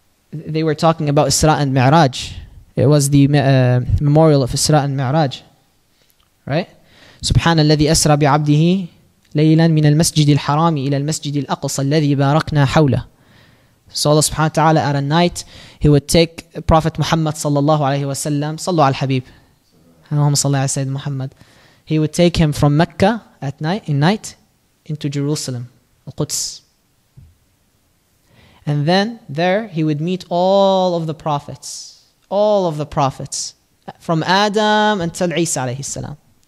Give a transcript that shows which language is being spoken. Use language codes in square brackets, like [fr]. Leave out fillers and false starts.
[en] they were talking about Isra and Mi'raj. It was the memorial of Isra and Mi'raj. Right? [ar] سبحان الذي أسرى بعبده ليلا من المسجد الحرام إلى المسجد الأقصى الذي باركنا حوله. [en] So Allah subhanahu wa ta'ala, at a night, He would take Prophet Muhammad sallallahu alayhi wa sallam, [ar] صلوا على الحبيب, اللهم صل على سيد محمد. [en] He would take him from Mecca at night, in night, into Jerusalem, القدس. And then there he would meet all of the prophets, all of the prophets, from Adam until Isa alayhi salam.